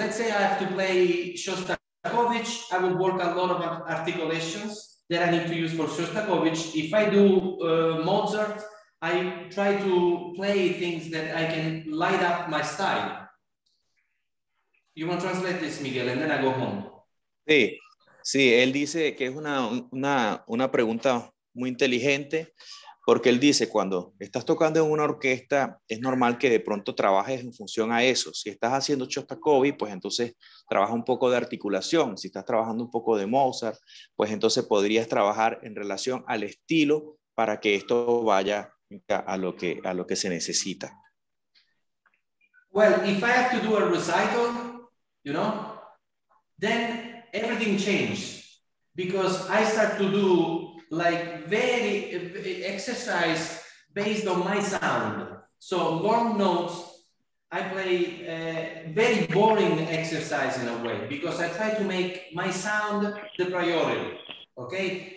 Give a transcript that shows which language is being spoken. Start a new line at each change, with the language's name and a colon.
English: Let's say I have to play Shostakovich, I will work a lot of articulations that I need to use for Shostakovich. If I do Mozart, I try to play things that I can light up my style. You want to translate this, Miguel, and then I go home.
Spanish: Sí, sí, él dice que es una pregunta muy inteligente, porque él dice, cuando estás tocando en una orquesta, es normal que de pronto trabajes en función a eso. Si estás haciendo Shostakovich, pues entonces trabaja un poco de articulación. Si estás trabajando un poco de Mozart, pues entonces podrías trabajar en relación al estilo para que esto vaya a lo que se necesita.
English: Well, if I have to do a recital, you know, then everything changes. Because I start to do like very exercise based on my sound. So warm notes, I play very boring exercise in a way, because I try to make my sound the priority, okay?